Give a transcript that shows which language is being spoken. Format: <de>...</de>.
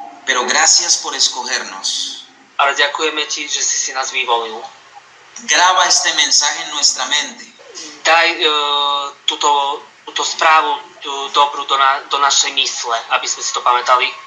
<es>Pero gracias por escogernos.</es> <sk>Ale ďakujeme ti, že si si nás vyvolil.</sk> <es>Graba este mensaje en nuestra mente.</es> <sk>Daj túto správu dobrú do našej mysle, aby sme si to pamätali.</sk>